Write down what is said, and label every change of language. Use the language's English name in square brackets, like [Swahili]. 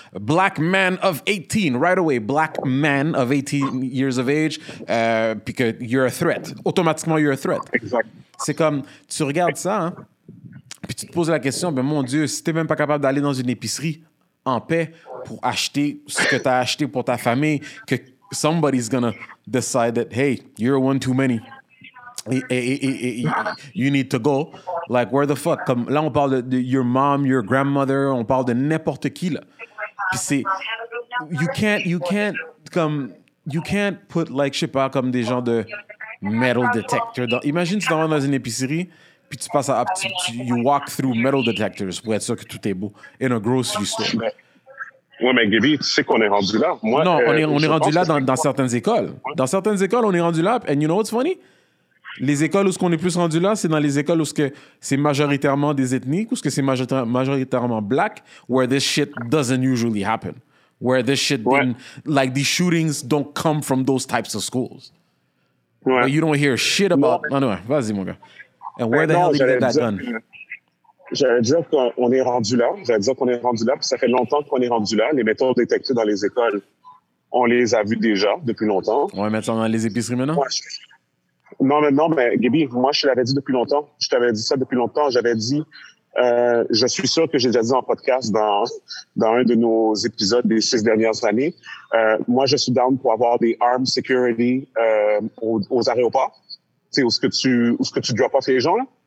[English] Black man of 18, right away. Black man of 18 years of age. Puis que you're a threat. Automatiquement, you're a threat. [French] Exact. C'est comme, tu regardes ça, hein, puis tu te poses la question, ben mon Dieu, si t'es même pas capable d'aller dans une épicerie en paix pour acheter ce que t'as acheté pour ta famille, que [English] somebody's gonna decide that, hey, you're one too many. You need to go. Like, where the fuck? [French] Comme, là, on parle de [English] your mom, your grandmother, [French] on parle de n'importe qui, là. Puis c'est, [English] you can't put, like, [French] je sais pas, comme des gens de metal detector. Dans, imagine, tu t'en vas dans une épicerie, puis tu passes à, [English] you walk through metal detectors [French] pour être sûr que tout est beau, [English] in a grocery store. [French] Oui, mais Gaby, tu sais qu'on est rendu là. Moi, non, on est rendu là dans certaines écoles. Dans certaines écoles, on est rendu là. [English] And you know what's funny? [French] Les écoles où ce qu'on est plus rendu là, c'est dans les écoles où ce que c'est majoritairement des ethniques, où ce que c'est majoritairement black, [English] where this shit doesn't usually happen. Where this shit didn't, like, these shootings don't come from those types of schools. Ouais. Where you don't hear shit about... [French] Non, non, vas-y, mon gars. [English] And where the hell did you get that gun? [French] J'allais dire qu'on est rendu là. J'allais dire qu'on est rendu là, puis ça fait longtemps qu'on est rendu là. Les méthodes détectées dans les écoles, on les a vues déjà depuis longtemps. On va mettre ça dans les épiceries maintenant? Ouais, Non, mais Gaby, moi, je l'avais dit depuis longtemps. Je t'avais dit ça depuis longtemps. J'avais dit, je suis sûr que j'ai déjà dit en podcast dans un de nos épisodes des 6 dernières années, moi, je suis down pour avoir des armed security aux aéroports, tu sais, où ce que tu drop off les gens, là.